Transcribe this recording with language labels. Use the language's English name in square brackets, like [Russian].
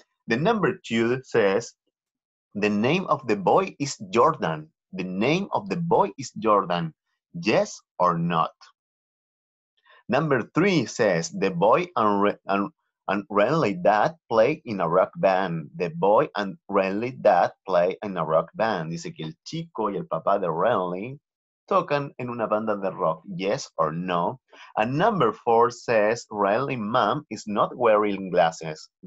[English] The number two says, the name of the boy is Jordan. The name of the boy is Jordan, yes or not. Number three says, the boy and Renly Dad play in a rock band. The boy and Renly Dad play in a rock band. [Spanish] Dice que el chico y el papá de Renly tocan en una banda de rock. [English] Yes or no? And number four says, Renly Mom is not wearing glasses.